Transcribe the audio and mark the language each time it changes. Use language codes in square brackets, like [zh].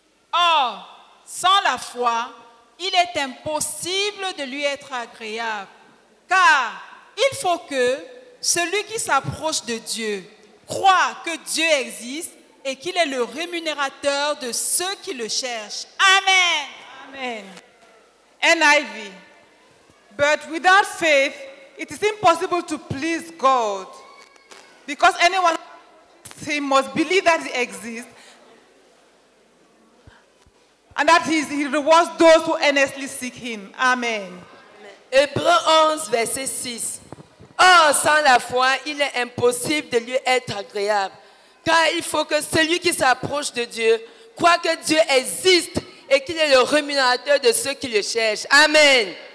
[fr] Or, sans la foi, il est impossible de lui être agréable. Car il faut que celui qui s'approche de Dieu croit que Dieu existe et qu'il est le rémunérateur de ceux qui le cherchent. Amen. Amen. NIV. [en] But without faith, it is impossible to please God. Because anyone he must believe that he exists and that he rewards those who earnestly seek him. Amen. [fr] Hébreux 11, verset 6. Or, sans la foi, il est impossible de lui être agréable. Car il faut que celui qui s'approche de Dieu croit que Dieu existe et qu'il est le rémunérateur de ceux qui le cherchent. Amen.